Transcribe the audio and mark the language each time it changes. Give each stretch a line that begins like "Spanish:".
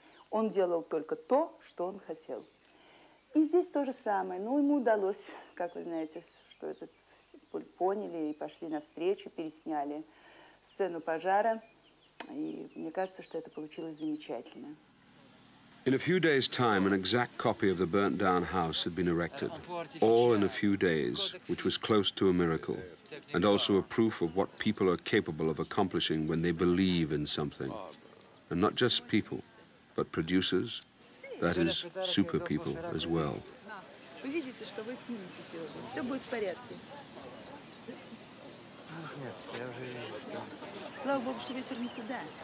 Russian: Он делал только то, что он хотел. И здесь то же самое. Ну, ему удалось, как вы знаете, что это поняли и пошли навстречу, пересняли сцену пожара. И мне кажется, что это получилось замечательно.
English: In a few days' time, an exact copy of the burnt-down house had been erected. All in a few days, which was close to a miracle. And also a proof of what people are capable of accomplishing when they believe in something. And not just people. But producers, that is super people as well.
Russian: Вы видите, что вы снимете сегодня. Все будет в порядке. Ах, нет, я уже вижу, что... Слава Богу, что ветер не туда.